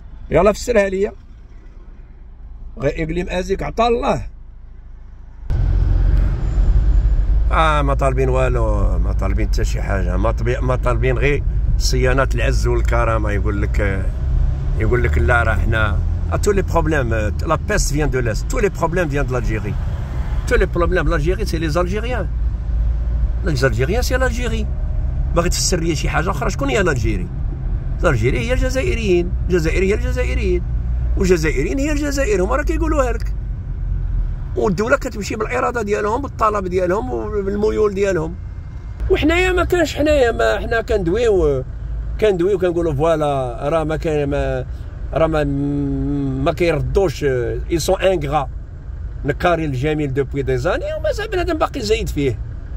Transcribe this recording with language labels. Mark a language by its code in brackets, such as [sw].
[ar] يلا فسرها ليا ها اقليم ازيك عطا الله ما طالبين والو ما طالبين حتى شي حاجه ما طالبين غير صيانه العز والكرامه يقول لك لا راه حنا [fr] tous les problèmes, la peste vient de l'Est, tous les problèmes viennent de l'Algérie. Tous les problèmes de l'Algérie, c'est les Algériens. Les Algériens, c'est l'Algérie. [ar] باغي تفسر لي شي حاجه اخرى، شكون هي الجيري؟ الجيري هي الجزائريين، الجزائر هي الجزائريين، والجزائريين هي الجزائر، هما راه كيقولوها لك. والدوله كتمشي بالاراده ديالهم، بالطلب ديالهم، وبالميول ديالهم. وحنايا ما كانش، حنايا ما حنا كندويو كندويو كنقولوا فوالا، راه ما كاين، راه ما كيردوش، اي سون انغرا نكاري الجميل دوبوي دي زاني، ومازال بنادم باقي زايد فيه.